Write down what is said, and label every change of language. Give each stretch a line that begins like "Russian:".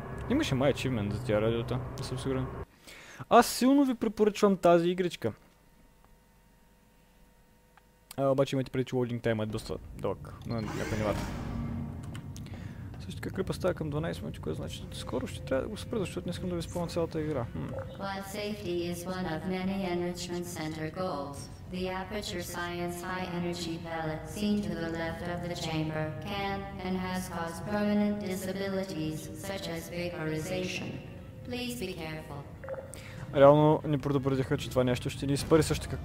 Bulgarian: Имаше май achievement за тия радиота, не съм сигурен. Аз силно ви препоръчвам тази игричка. А, обаче имайте преди, че loading time е доста дълъг на някаква нивата. Така клипа става към 12 минути, което значи скоро ще трябва да го спра, защото не искам да ви спомня цялата игра.
English: While safety is one of many enrichment center goals, the Aperture Science high energy pellet seen to the left of the chamber can and has caused permanent disabilities such as vaporization. Please be careful.
Bulgarian: Реално не предупредиха, че това нещо ще ни спари също така.